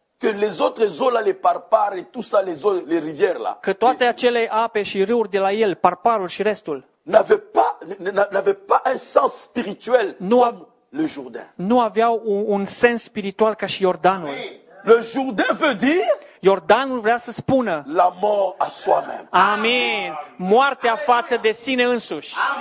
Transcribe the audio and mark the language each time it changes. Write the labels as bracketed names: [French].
[French] Que les autres eaux là, les parpare, tout ça, les eaux, les rivières là. [Romanian] Că toate acele ape și râuri de la el, parparul și restul. [French] N'avait pas un sens spirituel comme le Jourdain. [Romanian] Nu aveau un sens spiritual ca și Iordanul. [French] Le Jourdain veut dire? [Romanian] Iordanul vrea să spună. [French] La mort à soi-même. Amen. [Romanian] Moartea față de sine însuși.